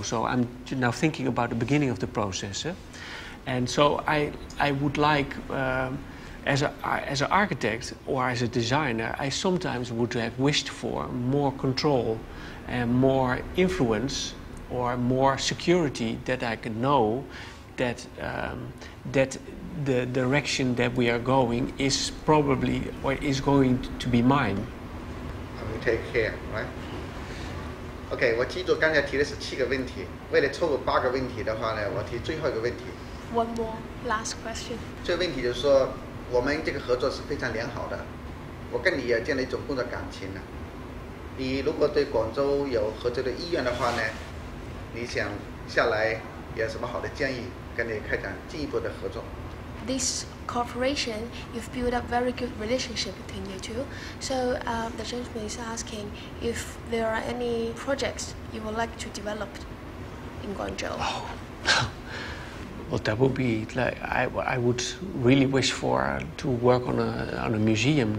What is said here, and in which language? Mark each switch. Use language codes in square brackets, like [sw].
[en] So I'm now thinking about the beginning of the process, eh? And so I would like, as an architect or as a designer, I sometimes would have wished for more control and more influence or more security, that I can know that that the direction that we are going is probably or is going to be mine. I will take care, right? [zh] Okay, 我记住刚才提的是七个问题，为了凑够八个问题的话呢，我提最后一个问题。 [en] One more last question. [zh] 这个问题就是说，我们这个合作是非常良好的，我跟你也建立一种工作感情呢。你如果对广州有合作的意愿的话呢，你想下来有什么好的建议，跟你开展进一步的合作？ [en] This cooperation, you've built up very good relationship between you two. So the gentleman is asking if there are any projects you would like to develop in Guangzhou. Oh. Well, that would be like I would really wish for to work on a museum.